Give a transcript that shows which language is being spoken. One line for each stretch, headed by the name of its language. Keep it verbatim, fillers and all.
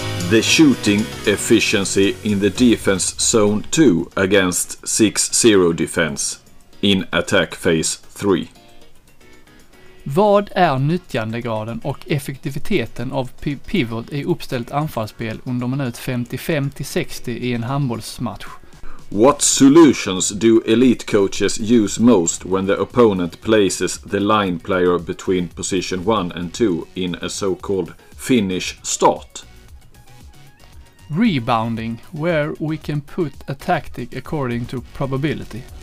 English: The shooting efficiency in the defense zone two against six zero defense in attack phase three.
Swedish: Vad är nyttjandegraden och effektiviteten av pivot i uppställt anfallsspel under minut femtiofem till sextio i en handbollsmatch?
English: What solutions do elite coaches use most when the opponent places the line player between position one and two in a so-called Finnish start? Rebounding, where we can put a tactic according to probability.